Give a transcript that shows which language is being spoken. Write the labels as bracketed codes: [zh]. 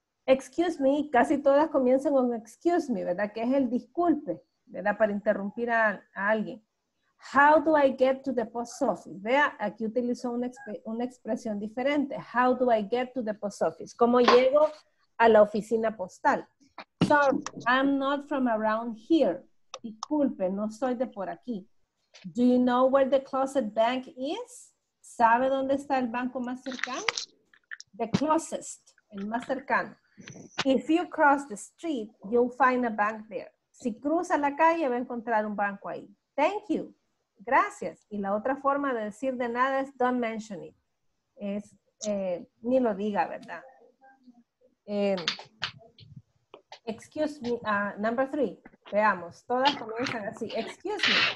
[en] Excuse me, [es] casi todas comienzan con [en] excuse me, [es] ¿verdad? Que es el disculpe, ¿verdad? Para interrumpir a alguien. [en] How do I get to the post office? [es] Vea, aquí utilizo una expresión diferente. [en] How do I get to the post office? [es] ¿Cómo llego a la oficina postal? [en] Sorry, I'm not from around here. [es] Disculpe, no soy de por aquí. [en] Do you know where the closest bank is? [es] ¿Sabe dónde está el banco más cercano? [en] The closest, [es] el más cercano. [en] If you cross the street, you'll find a bank there. [es] Si cruza la calle, va a encontrar un banco ahí. [en] Thank you. [es] Gracias. Y la otra forma de decir de nada es [en] don't mention it. [es] Es ni lo diga, ¿verdad? [en] Excuse me, number three. [es] Veamos, todas comienzan así. [en] Excuse me.